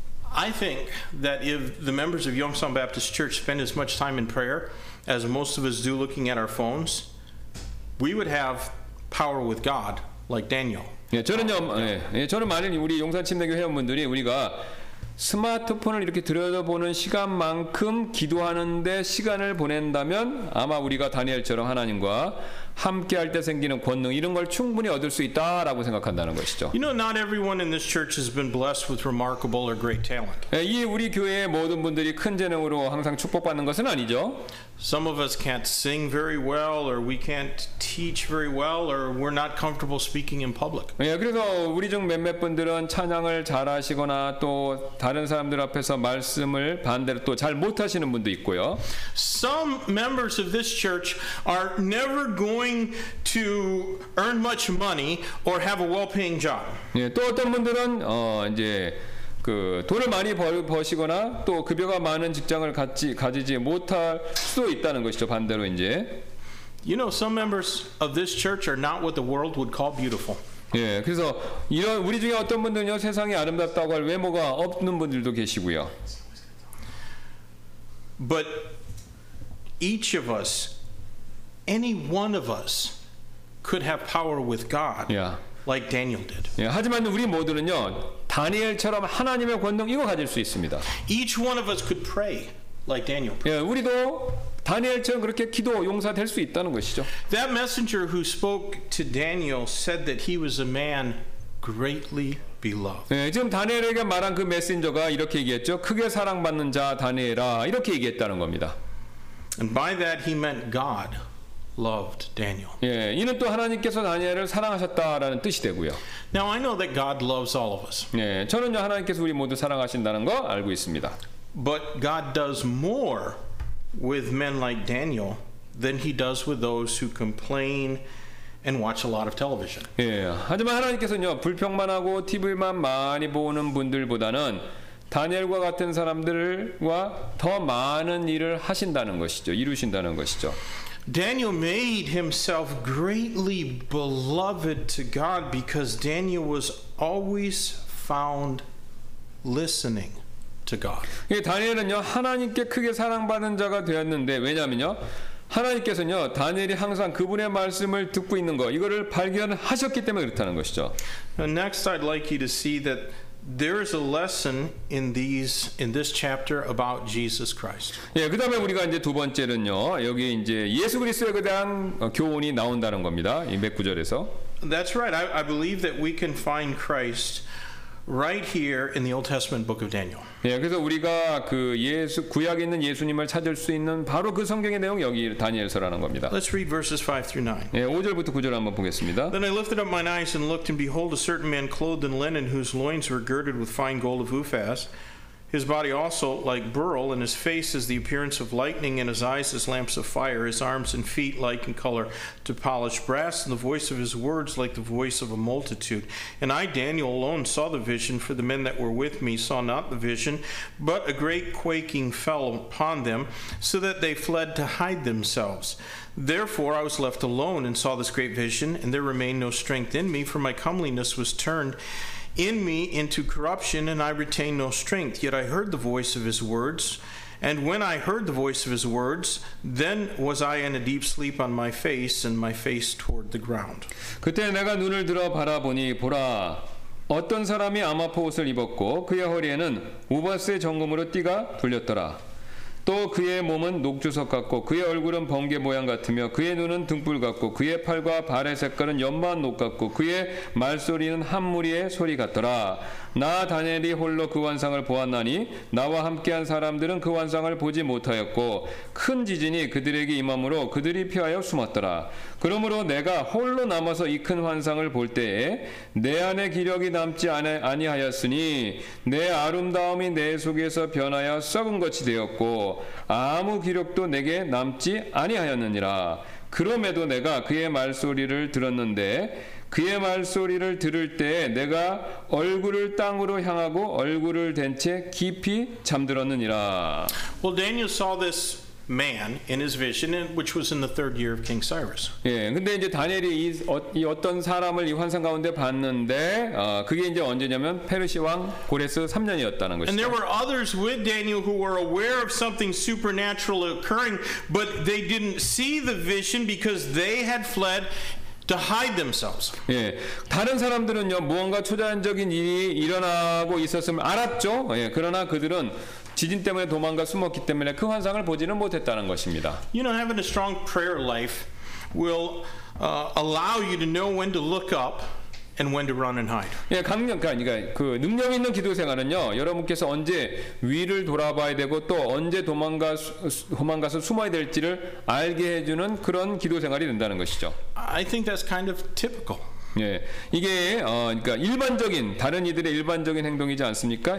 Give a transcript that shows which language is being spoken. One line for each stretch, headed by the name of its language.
English: I think that if the members of Yongsan Baptist Church spend as much time in prayer as most of us do looking at our phones, we would have power with God like Daniel.
Korean: 예, 저는요, 예, 예, 저는 만약 우리 용산 침례교 회원분들이 우리가 스마트폰을 이렇게 들여다보는 시간만큼 기도하는데 시간을 보낸다면 아마 우리가 다니엘처럼 하나님과 함께할 때 생기는 권능 이런 걸 충분히 얻을 수 있다라고 생각한다는 것이죠.
English: You know, not everyone in this church has been blessed with remarkable or great talent.
Korean: 예, 이 우리 교회의 모든 분들이 큰 재능으로 항상 축복받는 것은 아니죠.
English: Some of us can't sing very well, or we can't teach very well, or we're not comfortable speaking in public.
Korean: 예, 그래서 우리 중 몇몇 분들은 찬양을 잘하시거나 또 다른 사람들 앞에서 말씀을 반대로 또 잘 못하시는 분도 있고요.
English: Some members of this church are never going to earn much money or have a well-paying job.
Korean: 예, 또 어떤 분들은 이제 그 돈을 많이 버시거나 또 급여가 많은 직장을 가지지 못할 수도 있다는 것이죠. 반대로 이제.
English: You know, some members of this church are not what the world would call beautiful.
Korean: 예, 그래서 이런 우리 중에 어떤 분들은요 세상이 아름답다고 할 외모가 없는 분들도 계시고요.
English: But each of us, any one of us, could have power with God. Yeah. Like Daniel did.
Korean: 예, 하지만 우리 모두는요. 다니엘처럼 하나님의 권능 이거 가질 수 있습니다.
English: Each one of us could pray like Daniel.
Korean: 예, 우리도 다니엘처럼 그렇게 기도 용사 될 수 있다는 것이죠.
English: That messenger who spoke to Daniel said that he was a man greatly beloved.
Korean: 예, 지금 다니엘에게 말한 그 메신저가 이렇게 얘기했죠. 크게 사랑받는 자 다니엘아 이렇게 얘기했다는 겁니다.
English: And by that he meant God loved Daniel.
Korean: 예, 이는 또 하나님께서 다니엘을 사랑하셨다라는 뜻이 되고요.
English: Now I know that God loves all of us.
Korean: 예, 저는요 하나님께서 우리 모두 사랑하신다는 거 알고 있습니다.
English: But God does more with men like Daniel than he does with those who complain and watch a lot of television.
Korean: 예, 하지만 하나님께서는요 불평만 하고 TV만 많이 보는 분들보다는 다니엘과 같은 사람들과 더 많은 일을 하신다는 것이죠, 이루신다는 것이죠.
English: Daniel made himself greatly beloved to God because Daniel was always found listening to God.
Korean: 예, 다니엘은요 하나님께 크게 사랑받는 자가 되었는데 왜냐하면요 하나님께서는요 다니엘이 항상 그분의 말씀을 듣고 있는 거 이거를 발견하셨기 때문에 그렇다는 것이죠.
English: Now, next, I'd like you to see that. There is a lesson in these in this chapter about Jesus Christ.
Korean: 예, 그다음에 우리가 이제 두 번째는요. 여기 이제 예수 그리스도에 대한 교훈이 나온다는 겁니다. 이 몇 구절에서.
English: That's right. I believe that we can find Christ right here in the Old Testament book of Daniel.
Korean: 예, 그래서 우리가 그 예수 구약에 있는 예수님을 찾을 수 있는 바로 그 성경의 내용 여기 다니엘서라는 겁니다.
English: Let's read verses 5 through 9.
Korean: 예, 5절부터 9절 한번 보겠습니다.
English: Then I lifted up mine eyes and looked and behold a certain man clothed in linen whose loins were girded with fine gold of Uphaz. His body also like beryl and his face as the appearance of lightning and his eyes as lamps of fire his arms and feet like in color to polished brass and the voice of his words like the voice of a multitude and I Daniel alone saw the vision for the men that were with me saw not the vision but a great quaking fell upon them so that they fled to hide themselves therefore I was left alone and saw this great vision and there remained no strength in me for my comeliness was turned in me into corruption and I retain no strength yet I heard the voice of his words and when I heard the voice of his words then was I in a deep sleep on my face and my face toward the ground
Korean: 그때 내가 눈을 들어 바라보니 보라 어떤 사람이 아마포 옷을 입었고 그의 허리에는 우바스의 정금으로 띠가 불렸더라 또 그의 몸은 녹주석 같고 그의 얼굴은 번개 모양 같으며 그의 눈은 등불 같고 그의 팔과 발의 색깔은 연마한 녹 같고 그의 말소리는 한 무리의 소리 같더라. 나 다니엘이 홀로 그 환상을 보았나니 나와 함께한 사람들은 그 환상을 보지 못하였고 큰 지진이 그들에게 임함으로 그들이 피하여 숨었더라. 그러므로 내가 홀로 남아서 이 큰 환상을 볼 때에 내 안에 기력이 남지 아니하였으니 내 아름다움이 내 속에서 변하여 썩은 것이 되었고 아무 기력도 내게 남지 아니하였느니라. 그럼에도 내가 그의 말소리를 들었는데 그의 말소리를 들을 때 내가 얼굴을 땅으로 향하고 얼굴을 댄 채 깊이 잠들었느니라.
English: Well, Daniel saw this man in his vision, which was in the third year of King Cyrus.
Korean: 예, 근데 이제 다니엘이 이 어떤 사람을 이 환상 가운데 봤는데, 그게 이제 언제냐면 페르시 왕 고레스 3년이었다는 것이죠.
English: And there were others with Daniel who were aware of something supernatural occurring, but they didn't see the vision because they had fled. To hide themselves.
Korean: 예, 다른 사람들은요 무언가 초자연적인 일이 일어나고 있었음을 알았죠. 예, 그러나 그들은 지진 때문에 도망가 숨었기 때문에 그 환상을 보지는 못했다는 것입니다.
English: You know, having a strong prayer life will allow you to know when to look up. And when to run and hide.
Korean: 예, 강력 그러니까 그 능력 있는 기도 생활은요. 여러분께서 언제 위를 돌아봐야 되고 또 언제 도망가서 숨어야 될지를 알게 해주는 그런 기도 생활이 된다는 것이죠.
English: I think that's kind of typical.
Korean: 예, 이게 그러니까 일반적인 다른 이들의 일반적인 행동이지 않습니까?